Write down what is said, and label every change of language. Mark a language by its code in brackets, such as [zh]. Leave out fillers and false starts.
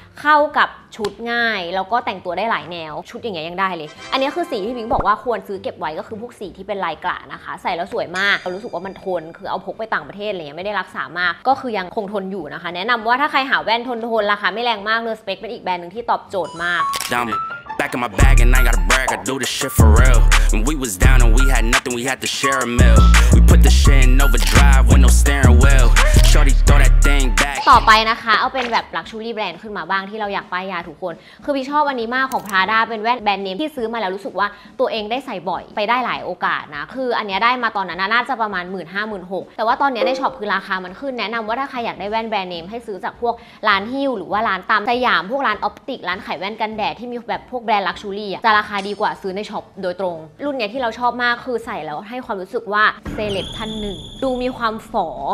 [th] เข้ากับชุดง่ายแล้วก็แต่งตัวได้หลายแนวชุดอย่างเงี้ยยังได้เลยอันนี้คือสีที่บิ๊กบอกว่าควรซื้อเก็บไว้ก็คือพวกสีที่เป็นลายกระนะคะใส่แล้วสวยมากเรารู้สึกว่ามันทนคือเอาพกไปต่างประเทศอะไรเงี้ยไม่ได้รักษามากก็คือยังคงทนอยู่นะคะแนะนำว่าถ้าใครหาแว่นทนๆราคาไม่แรงมากเลอสเปคเป็นอีกแบรนด์หนึ่งที่ตอบโจทย์มาก [en] Back in my bag and I got a brag, I do this shit for real. When we was down and we had nothing, we had to share a meal. We put the shit in overdrive with no steering wheel. Shorty throw that thing back. [th] ต่อไปนะคะเอาเป็นแบบลักชูรี่แบรนด์ขึ้นมาบ้างที่เราอยากป้ายยาทุกคนคือพี่ชอบอันนี้มากของ Prada เป็นแว่นแบรนด์เนมที่ซื้อมาแล้วรู้สึกว่าตัวเองได้ใส่บ่อยไปได้หลายโอกาสนะคืออันนี้ได้มาตอนนั้นน่าจะประมาณ 15,000-16,000 แต่ว่าตอนนี้ในช็อปคือราคามันขึ้นแนะนำว่าถ้าใครอยากได้แว่นแบรนด์เนมให้ซื้อจากพวกร้านฮิ้วหรือว่าร้านตามสยามพวกร้านออปติกร้านขายแว่นกันแดดที่มีแบบพวกแบรนด์ลักชูรี่จะราคาดีกว่าซื้อในช็อปโดยตรงรุ่นเนี้ยที่เราชอบมากคือใส่แล้วให้ความรู้สึกว่าเซเลบท่านหนึ่งดูมีความฝอ